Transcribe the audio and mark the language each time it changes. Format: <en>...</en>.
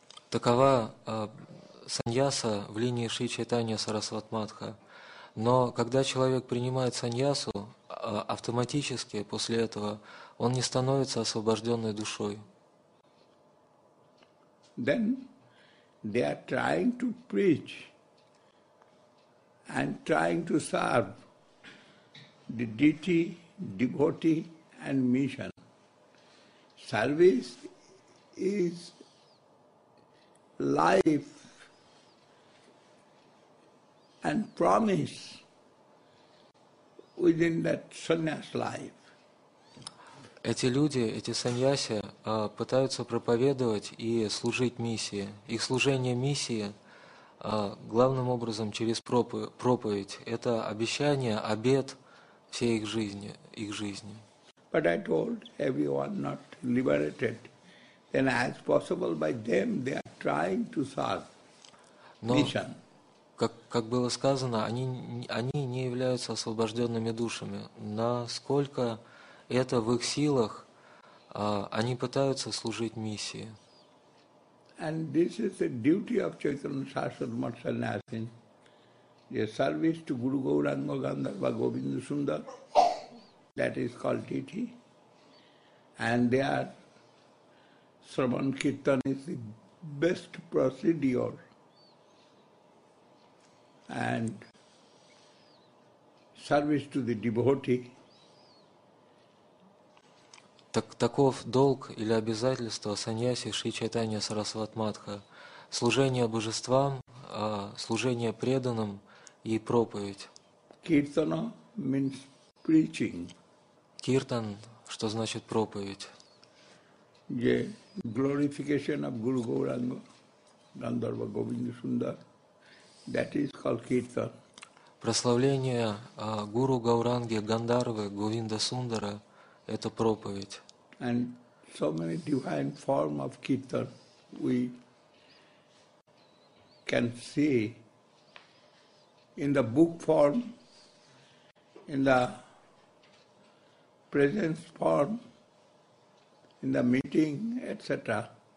<ru>Такова саньяса в линии Шри Чайтанья Сарасват Матха. Но когда человек принимает саньясу, автоматически после этого он не становится освобожденной душой.</ru> <en>Then they are trying to preach and trying to serve the deity, devotee, and mission. Service is life and promise within that sannyas life.</en> <ru>Эти люди, эти саньяси, пытаются проповедовать и служить миссии. Их служение миссии главным образом через проповедь. Это обещание, обет всей их жизни.</ru> <en>But I told everyone not liberated, then as possible by them they are trying to serve mission.</en> <ru>Как было сказано, они не являются освобожденными душами. Насколько это в их силах, они пытаются служить миссии.</ru> <en>And this is the duty of Chaitanya Sarasvati Sannyasin. The service to Guru Gauranga Gandharva Govinda Sundar, that is called Titi. And their Sravan Kirtan is the best procedure. And service to the devotee.</en> <ru>Таков долг или обязательство саньяси Шри Чайтанья Сарасват Матха. Служение божествам, служение преданным и проповедь.</ru> <en>Kirtana means preaching.</en> <ru>Kirtan, что значит проповедь.</ru> <en>The glorification of Guru Gauranga, Gandharva Govinda Sundar, that is called Kirtan.</en> <ru>Прославление Гуру Гауранги Гандарвы Говинда Сундара – это проповедь.</ru> <en>And so many divine forms of kirtan we can see in the book form, in the presence form, in the meeting, etc.</en>